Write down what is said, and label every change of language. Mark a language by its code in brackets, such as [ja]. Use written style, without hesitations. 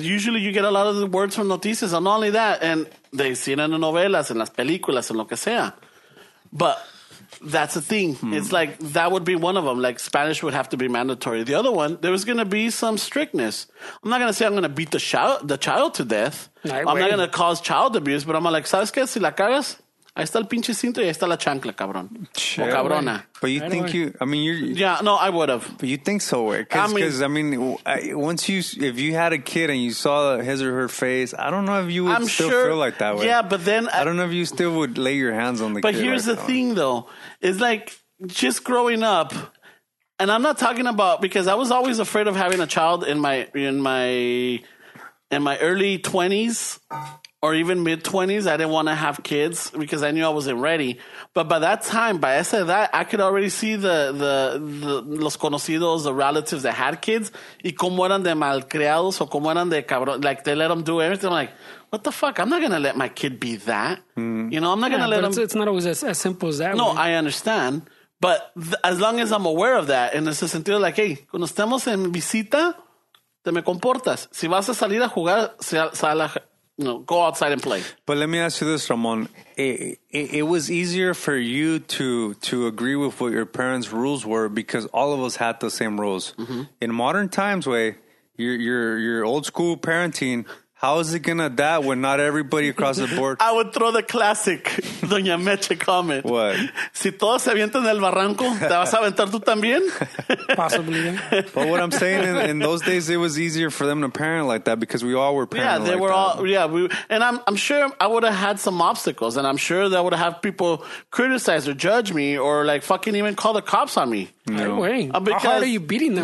[en] usually you get a lot of the words from noticias, and not only that, and they see it in the novelas, [es] en las películas, en lo que sea. [en] But that's the thing. It's like, that would be one of them. Like, Spanish would have to be mandatory. The other one, there was going to be some strictness. I'm not going to say I'm going to beat the child to death. I'm not going to cause child abuse, but I'm like, [es] ¿sabes qué? Si la cagas, ahí está el pinche cinto y ahí está la chancla, cabrón. Chale. O cabrona. [en] But you think yeah, no, I would have. But you think so, way. Because, if you had a kid and you saw his or her face, I don't know if you would feel like that way. Yeah, but then. I don't know if you still would lay your hands on the but kid. But here's the thing, though. It's like, just growing up, and I'm not talking about, because I was always afraid of having a child in my early 20s. Or even mid-20s, I didn't want to have kids because I knew I wasn't ready. But by that time, by [es] esa edad, [en] I could already see the los conocidos, the relatives that had kids. [es] Y como eran de malcriados o como eran de cabrón. [en] Like, they let them do everything. I'm like, what the fuck? I'm not going to let my kid be that. You know, I'm not going to let them. It's not always as simple as that. No, man. I understand. But as long as I'm aware of that, and it's a sentido like, hey, [es] cuando estemos en visita, te me comportas. Si vas a salir a jugar, sal a. No, [en] go outside and play. But let me ask you this, Ramon. It was easier for you to agree with what your parents' rules were because all of us had the same rules. In modern times, way your old school parenting. How is it gonna die when not everybody across the board? I would throw the classic Doña Meche comment. What? [es] Si todos se avientan el barranco, te vas a aventar tú también? [en] Possibly. But what I'm saying, in those days, it was easier for them to parent like that because we all were parents. Yeah, they like were that. All. Yeah, we. And I'm sure I would have had some obstacles, and I'm sure that would have people criticize or judge me, or like fucking even call the cops on me. No way. How are you beating them?